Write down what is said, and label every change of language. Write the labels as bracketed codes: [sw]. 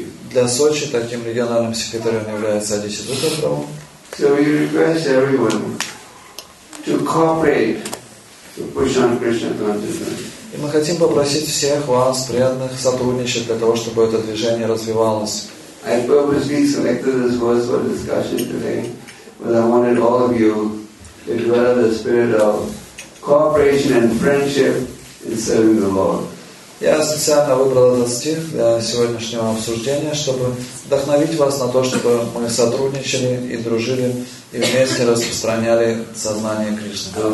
[ru] Для Сочи таким региональным секретарем является Одесса Дукатрова. [en] So we request everyone to cooperate to push on Krishna consciousness. [ru] И мы хотим попросить всех вас, преданных, сотрудничать для того, чтобы это движение развивалось. [en] I purposely selected this verse for discussion today, but I wanted all of you to develop the spirit of cooperation and friendship in serving the Lord. [ru] Я специально выбрал этот стих для сегодняшнего обсуждения, чтобы вдохновить вас на то, чтобы мы сотрудничали и дружили, и вместе распространяли сознание Кришны.